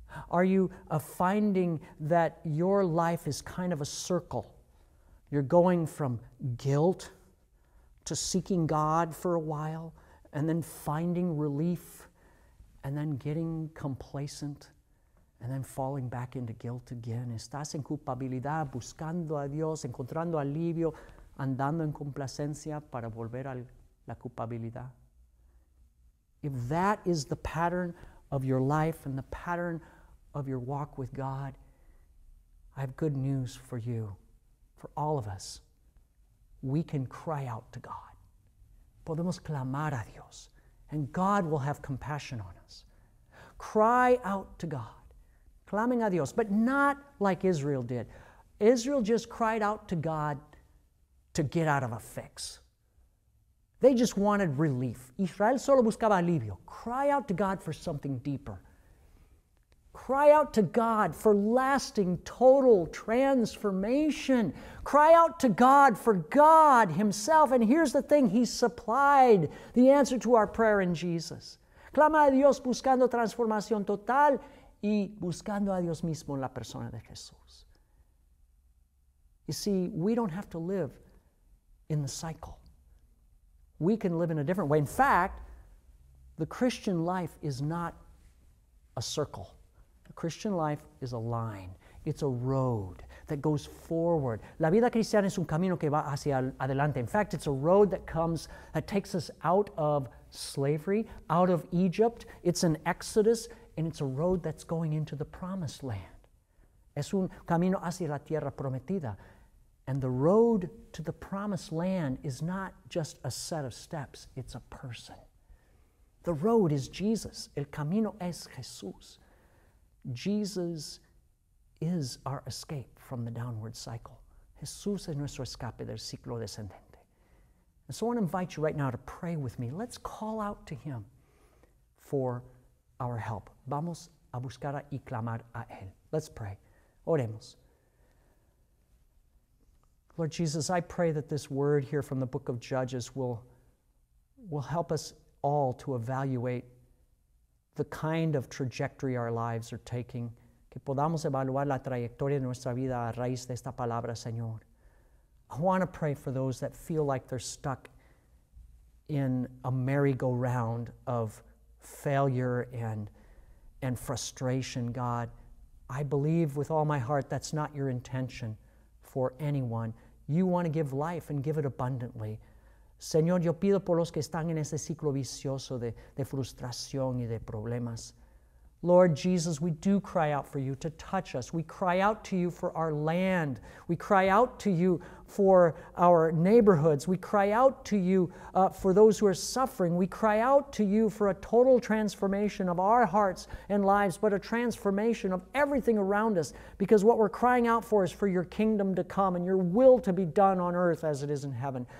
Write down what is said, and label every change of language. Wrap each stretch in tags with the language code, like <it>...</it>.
<en>Are you finding that your life is kind of a circle? You're going from guilt to seeking God for a while, and then finding relief, and then getting complacent, and then falling back into guilt again.</en> <es>Estás en culpabilidad, buscando a Dios, encontrando alivio, andando en complacencia para volver a la culpabilidad.</es> <en>If that is the pattern of your life and the pattern of your walk with God, I have good news for you, for all of us. We can cry out to God.</en> <es>Podemos clamar a Dios,</es> <en>and God will have compassion on us. Cry out to God,</en> <es>clamen a Dios,</es> <en>but not like Israel did. Israel just cried out to God to get out of a fix. They just wanted relief.</en> <es>Israel solo buscaba alivio.</es> <en>Cry out to God for something deeper. Cry out to God for lasting, total transformation. Cry out to God for God himself. And here's the thing, he supplied the answer to our prayer in Jesus.</en> <es>Clama a Dios buscando transformación total y buscando a Dios mismo en la persona de Jesús.</es> <en>You see, we don't have to live in the cycle. We can live in a different way. In fact, the Christian life is not a circle. Christian life is a line. It's a road that goes forward.</en> <es>La vida cristiana es un camino que va hacia adelante.</es> <en>In fact, it's a road that comes, that takes us out of slavery, out of Egypt. It's an exodus, and it's a road that's going into the promised land.</en> <es>Es un camino hacia la tierra prometida.</es> <en>And the road to the promised land is not just a set of steps, it's a person. The road is Jesus.</en> <es>El camino es Jesús.</es> <en>Jesus is our escape from the downward cycle.</en> <es>Jesús es nuestro escape del ciclo descendente.</es> <en>And so I want to invite you right now to pray with me. Let's call out to him for our help.</en> <es>Vamos a buscar y clamar a él.</es> <en>Let's pray.</en> <es>Oremos.</es> <en>Lord Jesus, I pray that this word here from the book of Judges will help us all to evaluate the kind of trajectory our lives are taking.</en> <es>Que podamos evaluar la trayectoria de nuestra vida a raíz de esta palabra, Señor.</es> <en>I want to pray for those that feel like they're stuck in a merry-go-round of failure and frustration, God. I believe with all my heart that's not your intention for anyone. You want to give life and give it abundantly.</en> <es>Señor, yo pido por los que están en ese ciclo vicioso de frustración y de problemas.</es> <en>Lord Jesus, we do cry out for you to touch us. We cry out to you for our land. We cry out to you for our neighborhoods. We cry out to you for those who are suffering. We cry out to you for a total transformation of our hearts and lives, but a transformation of everything around us, because what we're crying out for is for your kingdom to come and your will to be done on earth as it is in heaven.</en>